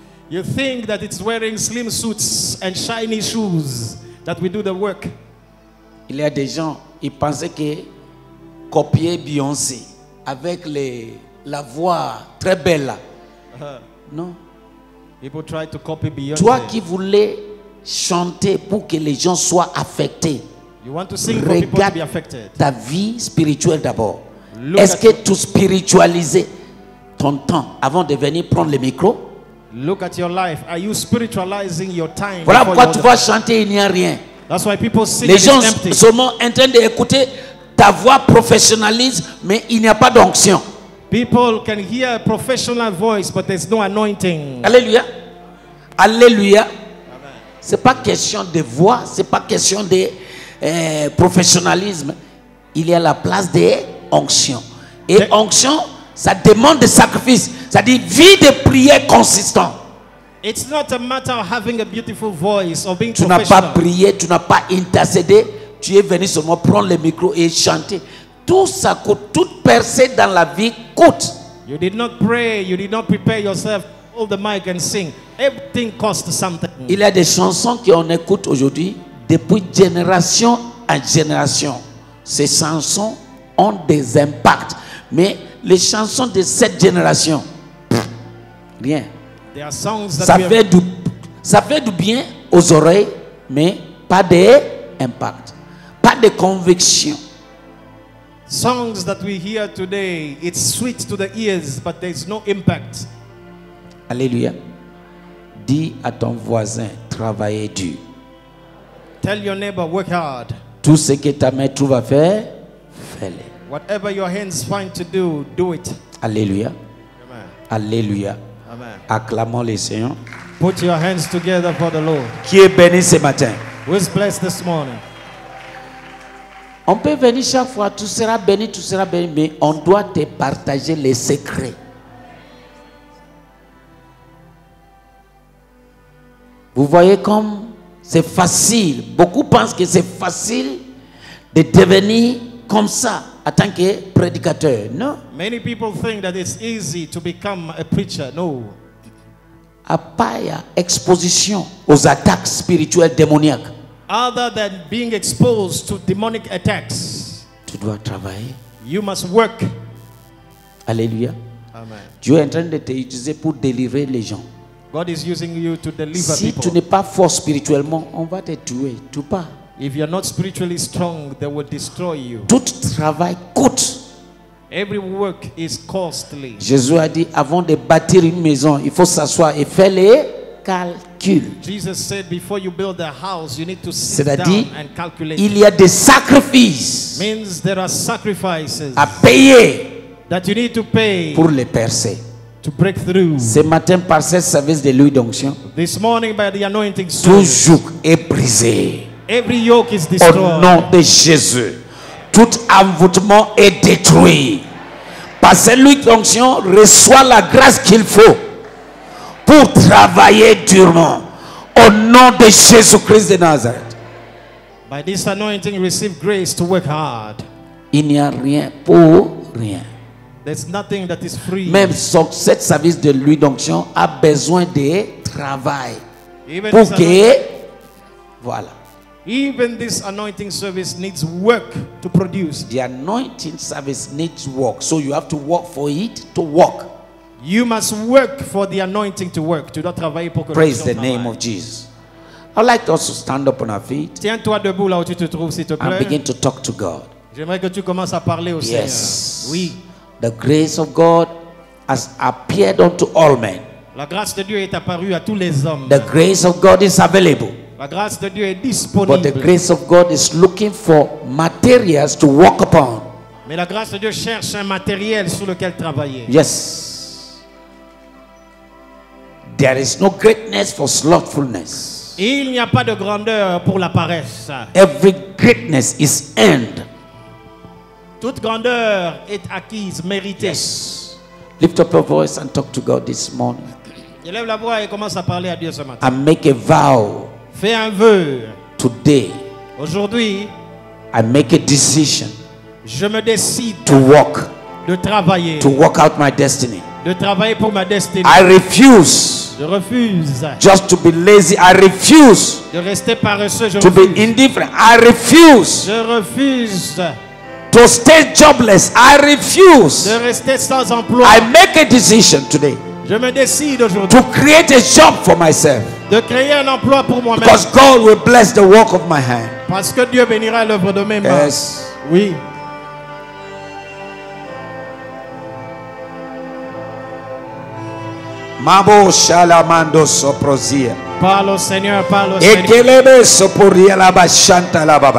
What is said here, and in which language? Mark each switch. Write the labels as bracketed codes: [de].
[en] You think that it's wearing slim suits and shiny shoes that we do the work. [fr] Il y a des gens, ils pensaient que copier Beyoncé avec la voix très belle là. Non. [en] People try to copy Beyoncé. [fr] Toi qui voulais chanter pour que les gens soient affectés. [en] You want to sing for people to be affected. [fr] Ta vie spirituelle d'abord. Look est-ce que tu spiritualises ton temps avant de venir prendre le micro? [en] Look at your life. Are you spiritualizing your time? [fr] Voilà pourquoi tu vas chanter, il n'y a rien. [en] That's why people sing. [fr] Les gens sont seulement en train d'écouter ta voix professionnalise, mais il n'y a pas d'onction. [en] People can hear a professional voice, but there's no anointing. [fr] Alléluia. Alléluia. C'est pas question de voix, c'est pas question de professionnalisme. Il y a la place des onctions. Et onction. Ça demande des sacrifices. Ça dit vie de prière consistant. [en] It's not a matter of having a beautiful voice or being [fr] tu n'as pas prié, tu n'as pas intercédé. Tu es venu seulement prendre le micro et chanter. Tout ça coûte, toute percée dans la vie coûte. [en] You did not pray, you did not prepare yourself, hold the mic and sing. Everything costs something. [fr] Il y a des chansons qu'on écoute aujourd'hui depuis génération en génération. Ces chansons ont des impacts, mais les chansons de cette génération, rien. [en] There are songs that [fr] ça fait du bien aux oreilles, mais pas d'impact, pas de conviction. [en] Songs that we hear today, it's sweet to the ears, but there's no impact. [fr] Alléluia. Dis à ton voisin, travaille dur. [en] Tell your neighbor, work hard. [fr] Tout ce que ta main trouve à faire, fais-le. [en] Whatever your hands find to do, do it. [fr] Alléluia. Amen. Alléluia. Amen. Acclamons le Seigneur. [en] Put your hands together for the Lord. [fr] Qui est béni ce matin? [en] Who is blessed this morning? [fr] On peut venir chaque fois, tu seras béni, mais on doit te partager les secrets. Vous voyez comme c'est facile. Beaucoup pensent que c'est facile de devenir comme ça. En tant que prédicateur, non? [en] Many people think that it's easy to become a preacher. No. [fr] a pire exposition aux attaques spirituelles démoniaques. [en] Other than being exposed to demonic attacks, [fr] tu dois travailler. [en] You must work. [fr] Alléluia. Amen. Dieu est en train de te utiliser pour délivrer les gens. [en] God is using you to deliver [fr] si [en] people. [fr] Tu n'es pas fort spirituellement, on va te tuer. Tu pars. [en] If you're not spiritually strong, they will destroy you. [fr] Tout travail coûte. [en] Every work is costly. [fr] Jésus a dit, avant de bâtir une maison, il faut s'asseoir et faire les calculs. [en] Jesus said, before you build a house, you need to sit [fr] C'est-à-dire, [en] down and calculate. [fr] Il y a des sacrifices. [en] Means there are sacrifices. [fr] À payer. [en] That you need to pay. [fr] Pour les percer. [en] To break through. [fr] Ce matin, par ce service de l'huile d'onction. [en] This morning, by the anointing service. [fr] Tout joug est brisé. [en] Every yoke is destroyed. [fr] Au nom de Jésus. Tout envoûtement est détruit. Parce que lui, l'onction, reçoit la grâce qu'il faut pour travailler durement. Au nom de Jésus-Christ de Nazareth. [en] By this anointing, receive grace to work hard. [fr] Il n'y a rien pour rien. [en] There's nothing that is free. [fr] Même ce service de lui, l'onction, a besoin de travail. Even pour que... Voilà. [en] Even this anointing service needs work to produce. The anointing service needs work. So you have to work for it to work. You must work for the anointing to work. [fr] Tu dois travailler pour que [en] praise the name of Jesus. I'd like us to stand up on our feet. [fr] Tiens-toi debout là où tu te trouves, s'il te plaît. [en] And begin to talk to God. [fr] J'aimerais que tu commences à parler au [en] yes. [fr] Seigneur. Yes. Oui. [en] The grace of God has appeared unto all men. [fr] La grâce de Dieu est apparue à tous les hommes. [en] The grace of God is available. [fr] La grâce de Dieu est disponible. [en] But the grace of God is looking for materials to walk upon. [fr] Mais la grâce de Dieu cherche un matériel sur lequel travailler. [en] Yes. There is no greatness for slothfulness. [fr] Il n'y a pas de grandeur pour la paresse. [en] Every greatness is earned. [fr] Toute grandeur est acquise, méritée. [en] Yes. Lift up your voice and talk to God this morning. [fr] Élève la voix et commence à parler à Dieu ce matin. [en] And make a vow. [fr] Fais un vœu. [en] Today, [fr] aujourd'hui, [en] I make a decision. [fr] Je me décide [en] to work, [fr] de travailler, [en] to work out my destiny, [fr] de travailler pour ma destinée. [en] I refuse, [fr] je refuse, [en] just to be lazy. I refuse, [fr] de rester paresseux. Je [en] to [fr] refuse, [en] be indifferent. I refuse, [fr] je refuse, [en] to stay jobless. I refuse, [fr] de rester sans emploi. [en] I make a decision today. [fr] Je me décide aujourd'hui [en] to create a job for myself. [fr] De créer un emploi pour moi-même. [en] Because God will bless the work of my hand. [fr] Parce que Dieu bénira l'œuvre de mes mains. [en] Yes. [fr] Oui. Mambo shalamando soprozia. Parle au Seigneur, parle au Seigneur. Ekelebe soporia la bashanta la baba.